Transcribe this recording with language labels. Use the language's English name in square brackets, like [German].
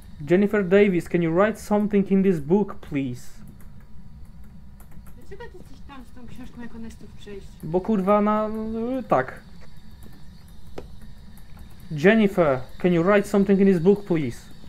[English] Jennifer Davis, can you write something in this book, please? [Polish] Dlaczego ty jesteś tam z tą książką, jak ona jest tu przejść? Bo kurwa na... tak. [English] Jennifer, can you write something in this book, please?